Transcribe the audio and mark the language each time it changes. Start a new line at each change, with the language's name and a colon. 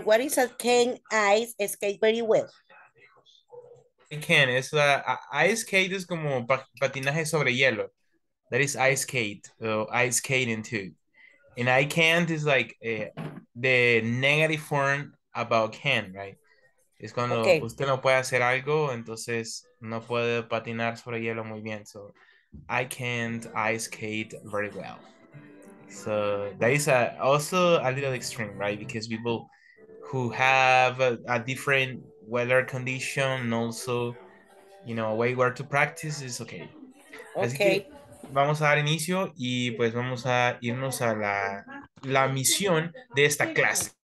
English: What is a can ice skate very well? It can. It's ice skate is
Spanish: como patinaje sobre hielo.
English: That is ice skate. So ice skating too. And I can't is like the negative form about can, right?
Spanish: Es cuando okay. Usted no puede hacer algo, entonces no puede patinar sobre hielo muy bien.
English: So, I can't ice skate very well. So, that is also a little extreme, right? Because people who have a different weather condition and also, you know, a way where to practice is okay. Okay.
Spanish: Así que vamos a dar inicio y pues vamos a irnos a la misión de esta clase.